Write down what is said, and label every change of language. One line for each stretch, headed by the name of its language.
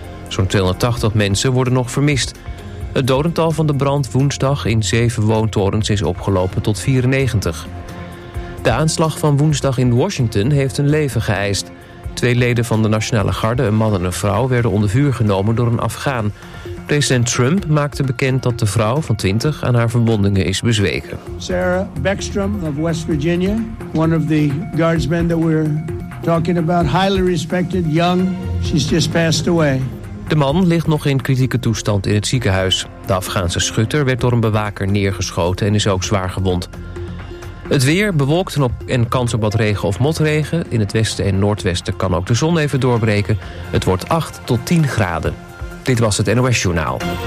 Dutch: Zo'n 280 mensen worden nog vermist. Het dodental van de brand woensdag in 7 woontorens is opgelopen tot 94. De aanslag van woensdag in Washington heeft een leven geëist. 2 leden van de Nationale Garde, een man en een vrouw, werden onder vuur genomen door een Afghaan. President Trump maakte bekend dat de vrouw van 20 aan haar verwondingen is bezweken.
English: Sarah Beckstrom of West Virginia, one of the guardsmen that we're talking about, highly respected, young, she's just passed away.
Dutch: De man ligt nog in kritieke toestand in het ziekenhuis. De Afghaanse schutter werd door een bewaker neergeschoten en is ook zwaar gewond. Het weer bewolkt en kans op wat regen of motregen. In het westen en noordwesten kan ook de zon even doorbreken. Het wordt 8 tot 10 graden. Dit was het NOS Journaal.